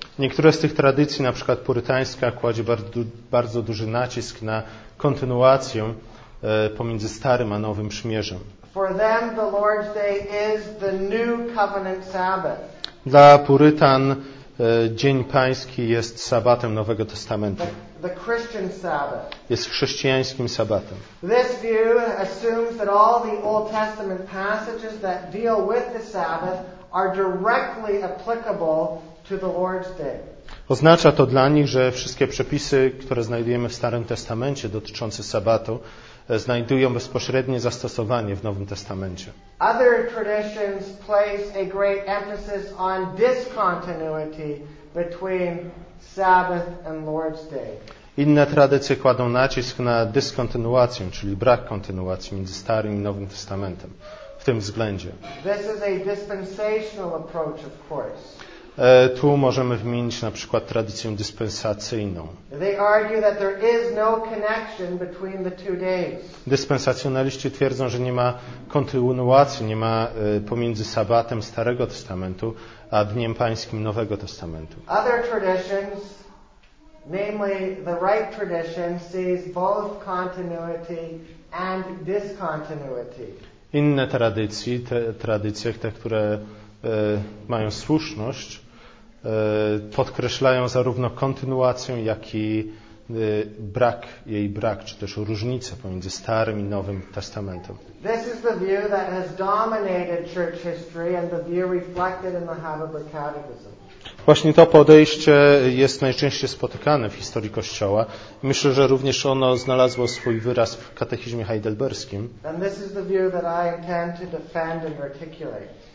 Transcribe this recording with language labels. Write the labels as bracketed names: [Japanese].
[Polish] Niektóre z tych tradycji, na przykład purytańska, kładzie bardzo duży nacisk na kontynuację pomiędzy Starym a Nowym Przymierzem. [English] For them, the Lord's Day is the new covenant Sabbath. [Polish] Dla Purytan Dzień Pański jest sabatem Nowego Testamentu. [English] The Christian Sabbath. [Polish] Jest chrześcijańskim sabatem. [English] This view assumes that all the Old Testament passages that deal with the Sabbath are directly applicable to the Lord's Day. [Polish] Oznacza to dla nich, że wszystkie przepisy, które znajdujemy w Starym Testamencie dotyczące sabatu, znajdują bezpośrednie zastosowanie w Nowym Testamencie. [English] Other traditions place a great emphasis on discontinuity between Sabbath and Lord's Day. [Polish] Inne tradycje kładą nacisk na dyskontynuację, czyli brak kontynuacji między Starym i Nowym Testamentem w tym względzie. [English] This is a dispensational approach, of course. [Polish] Tu możemy wymienić na przykład tradycję dyspensacyjną. [English] They argue that there is no connection between the two days. [Polish] Dyspensacjonaliści twierdzą, że nie ma kontynuacji, nie ma pomiędzy sabatem Starego Testamentu a Dniem Pańskim Nowego Testamentu. [English] Other traditions, namely the right tradition, sees both continuity and discontinuity. [Polish] Inne tradycje, te które mają słuszność, podkreślają zarówno kontynuację, jak i brak, jej brak, czy też różnicę pomiędzy Starym i Nowym Testamentem. [English] This is the view that has dominated church history and the view reflected in the Heidelberg Catechism. [Polish] Właśnie to podejście jest najczęściej spotykane w historii Kościoła. Myślę, że również ono znalazło swój wyraz w katechizmie heidelberskim. [English] And this is the view that I intend to defend and articulate.